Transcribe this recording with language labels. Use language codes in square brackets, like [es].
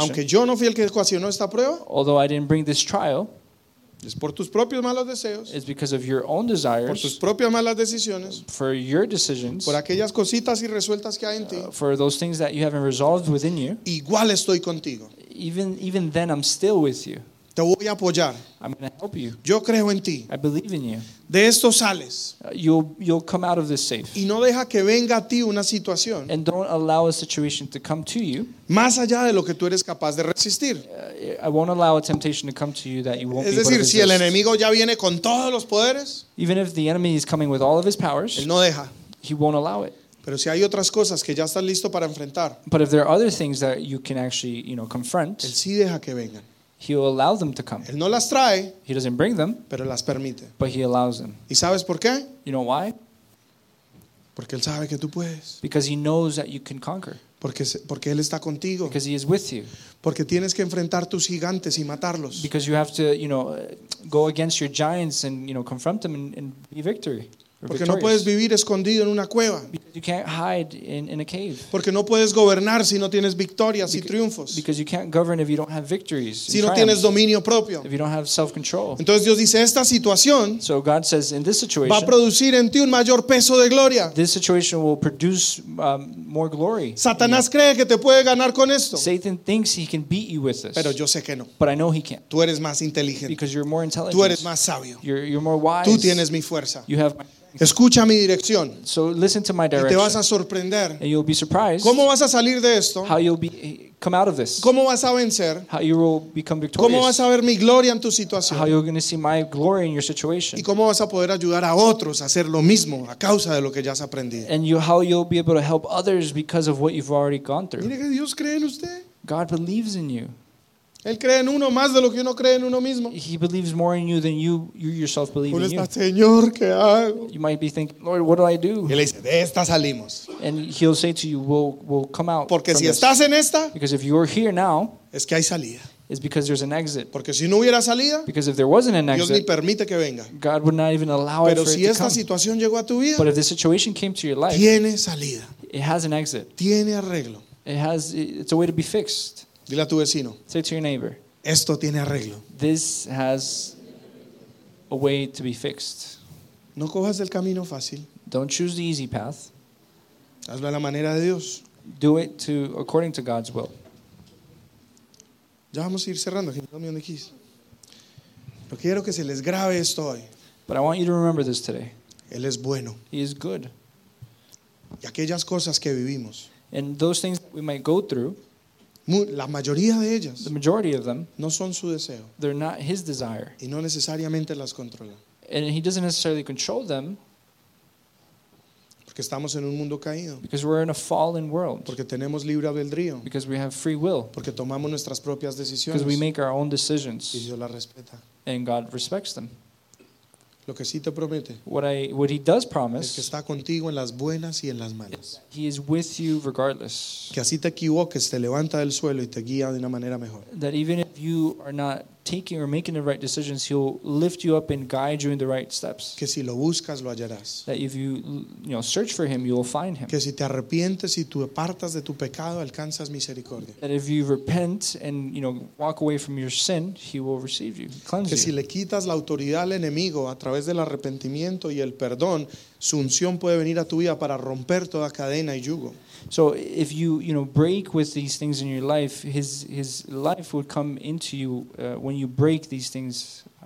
[es] Aunque yo no fui el que ocasionó esta prueba. [en] Although I didn't bring this trial. [es] Es por tus propios malos deseos. [en] It's because of your own desires. [es] Por tus propias malas decisiones. [en] For your decisions. [es] Por aquellas cositas irresueltas que hay en ti. [en] For those things that you haven't resolved within you. [es] Igual estoy contigo. [en] Even then I'm still with you. [es] Te voy a apoyar. [en] I'm going to help you. [es] Yo creo en ti. [en] I believe in you. [es] De esto sales. [en] You'll come out of this safe. [es] Y no deja que venga a ti una situación. [en] And don't allow a situation to come to you. [es] Más allá de lo que tú eres capaz de resistir. [en] I won't allow a temptation to come to you that you won't be able to resist. [es] Es decir, si el enemigo ya viene con todos los poderes. [en] Even if the enemy is coming with all of his powers. [es] Él no deja. [en] He won't allow it. [es] Pero si hay otras cosas que ya estás listo para enfrentar. [en] But if there are other things that you can actually, you know, confront. [es] Él sí deja que vengan. [en] He will allow them to come. [es] Él no las trae, [en] he doesn't bring them, [es] pero las permite. [en] But he allows them. [es] ¿Y sabes por qué? [en] You know why? [es] Porque él sabe que tú puedes. [en] Because he knows that you can conquer. [es] Porque él está contigo. [en] Because he is with you. [es] Porque tienes que enfrentar tus gigantes y matarlos. [en] Because you have to, you know, go against your giants and, you know, confront them and be victory. [es] Porque no puedes vivir escondido en una cueva. [en] You can't hide in a cave. [es] Porque no puedes gobernar si no tienes victorias y triunfos. [en] Because you can't govern if you don't have victories. [es] Si no tienes dominio propio. [en] If you don't have self-control. [es] Entonces Dios dice, esta situación, [en] so God says, in this situation, [es] va a producir en ti un mayor peso de gloria. [en] This situation will produce more glory. [es] Satanás cree que te puede ganar con esto. [en] Satan thinks he can beat you with this. [es] Pero yo sé que no. [en] But I know he can't. [es] Tú eres más inteligente. [en] Because you're more intelligent. [es] Tú eres más sabio. [en] You're more wise. [es] Tú tienes mi fuerza. [en] You have [es] escucha mi dirección. [en] So listen to my direction. [es] Y te vas a sorprender. [en] And you'll be surprised. [es] ¿Cómo vas a salir de esto? [en] How you'll be come out of this. [es] ¿Cómo vas a vencer? [en] How you will become victorious. [es] ¿Cómo vas a ver mi gloria en tu situación? [en] How you're going to see my glory in your situation. [es] ¿Y cómo vas a poder ayudar a otros a hacer lo mismo a causa de lo que ya has aprendido? [en] And you, how you'll be able to help others because of what you've already gone through. [es] Mire que Dios cree en usted. [en] God believes in you. [es] Él cree en uno más de lo que uno cree en uno mismo. [en] He believes more in you than you yourself believe in you. [es] Señor, ¿qué hago? [en] You might be thinking, Lord, what do I do? [es] Y él dice, de esta salimos. [en] And he'll say to you, we'll come out. [es] Porque si [en] this. [es] Estás en esta, [en] because if you're here now, [es] es que hay salida. [en] It's because there's an exit. [es] Porque si no hubiera salida, [en] because if there wasn't an exit, [es] Dios ni permite que venga. [en] God would not even allow [es] pero [en] it for [es] si [en] it to [es] esta [en] come. [es] Situación llegó a tu vida, [en] but if this situation came to your life, [es] tiene salida. [en] It has an exit. [es] Tiene arreglo. [en] It's a way to be fixed. [es] Dile a tu vecino. [en] Say to your neighbor. [es] Esto tiene arreglo. [en] This has a way to be fixed. [es] No cojas el camino fácil. [en] Don't choose the easy path. [es] Hazlo a la manera de Dios. [en] Do it to according to God's will. [es] Ya vamos a ir cerrando. Pero quiero que se les grabe esto hoy. [en] But I want you to remember this today. [es] Él es bueno. [en] He is good. [es] Y aquellas cosas que vivimos. [en] And those things that we might go through. [es] La mayoría de ellas, [en] the majority of them, [es] no son su deseo. [en] They're not his desire. [es] Y no necesariamente las controla. [en] And he doesn't necessarily control them. [es] Porque estamos en un mundo caído. [en] Because we're in a fallen world. [es] Porque tenemos libre albedrío. [en] Because we have free will. [es] Porque tomamos nuestras propias decisiones. [en] Because we make our own decisions. [es] Y Dios las respeta. [en] And God respects them. [es] Lo que sí te promete, [en] what he does promise, [es] es que está contigo en las buenas y en las malas. [en] He is with you regardless. [es] Que así te equivoques, te levanta del suelo y te guía de una manera mejor. [en] That even if you are not taking or making the right decisions, he'll lift you up and guide you in the right steps. [es] Que si lo buscas, lo hallarás. [en] That if you know, search for him, you will find him. [es] Que si te arrepientes y tú apartas de tu pecado, alcanzas misericordia. [en] That if you repent and you know walk away from your sin, he will receive you, cleanse you. [es] Que si le quitas la autoridad al enemigo a través del arrepentimiento y el perdón, su unción puede venir a tu vida para romper toda cadena y yugo. [en] So if you break with these things in your life, his life would come into you when you break these things.